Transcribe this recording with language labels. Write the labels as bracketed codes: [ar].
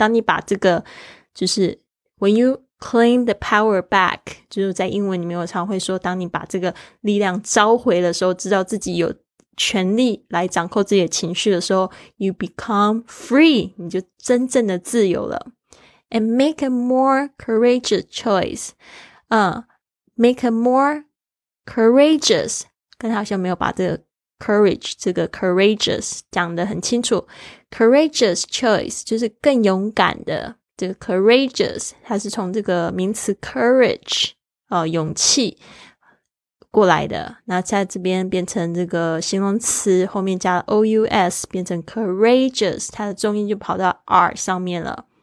[zh] 当你把这个就是 [en] When you claim the power back, [zh] 就是在英文里面我常会说，当你把这个力量召回的时候，知道自己有权力来掌控自己的情绪的时候， [en] You become free, [zh] 你就真正的自由了。 [en] And make a more courageous [zh] choice, make a more courageous, 刚才好像没有把这个 courage, 这个 courageous 讲得很清楚。 Courageous choice 就是更勇敢的，这个 courageous 它是从这个名词 courage, 勇气过来的，那在这边变成这个形容词，后面加了 ous 变成 courageous, 它的重音就跑到 r 上面了。